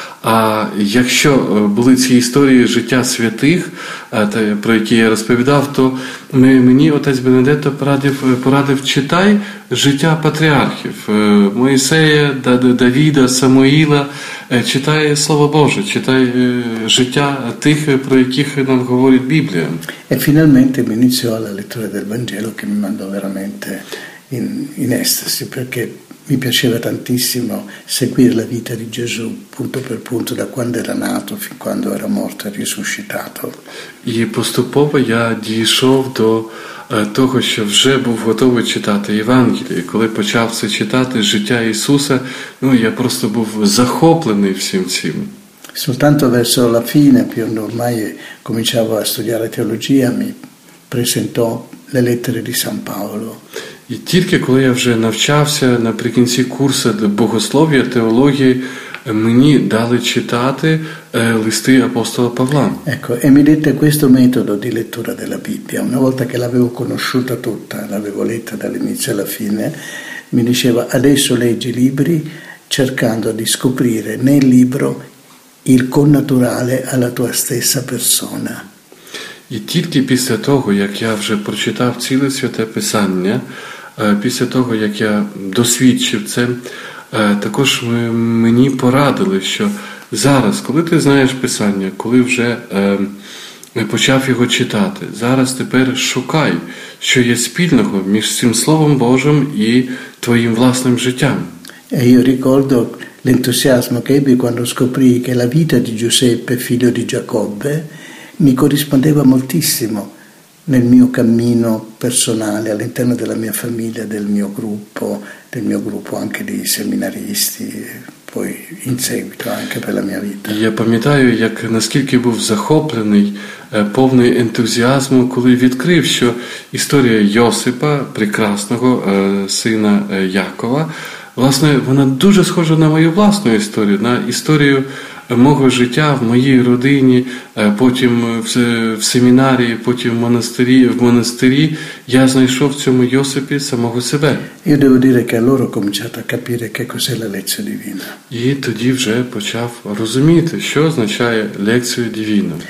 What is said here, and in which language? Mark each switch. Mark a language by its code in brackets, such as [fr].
[uk] А якщо були ці історії життя святих, про які я розповідав, то мені отець Бенедетто порадив читай життя патріархів, Моїсея, Давіда, Самуїла, читай Слово Боже, читай життя тих, про яких нам говорить Біблія. [it] І фінальмente mi iniziò la lettura del Vangelo che mi mandò veramente in estasi, perché mi piaceva tantissimo seguire la vita di Gesù punto per punto da quando era nato fin quando era morto e risuscitato. [uk] І поступово я дійшов до того, що вже був готовий читати Євангеліє. Коли почав це читати життя Ісуса, ну я просто був захоплений всім цим. [it] Soltanto verso la fine, più ormai cominciavo a studiare teologia, mi presentò le lettere di San Paolo. [uk] І тільки коли я вже навчався наприкінці курсу богослов'я, теології, мені дали читати листи апостола Павла. [it] Ecco, e mi dette questo metodo di lettura della Bibbia. Una volta che l'avevo conosciuta tutta, l'avevo letta dall'inizio alla fine, mi diceva, adesso leggi libri cercando di scoprire nel libro il connaturale alla tua stessa persona. [uk] І тільки після того, як я вже прочитав ціле Святе Писання, після того, як я досвідчив це, також мені порадили, що зараз, коли ти знаєш Писання, коли вже почав його читати, зараз тепер шукай, що є спільного між цим Словом Божим і твоїм власним життям. [it] E io ricordo l'entusiasmo che ebbi quando scoprì che la vita di Giuseppe, figlio di Giacobbe, mi corrispondeva moltissimo nel mio cammino personale all'interno della mia famiglia, del mio gruppo anche dei seminaristi, poi in seguito anche per la mia vita. [uk] Я пам'ятаю, як наскільки був захоплений, повний ентузіазму, коли відкрив, що історія Йосипа, прекрасного сина Якова, власне, вона дуже схожа на мою власну історію, на історію мого життя в моїй родині, потім в семінарії, потім в монастирі, я знайшов в цьому Йосипі самого себе. [it] Io devo dire che allora ho cominciato a capire che cos'è la lezione divina. [uk] І тоді вже почав розуміти, що означає лекція дивина.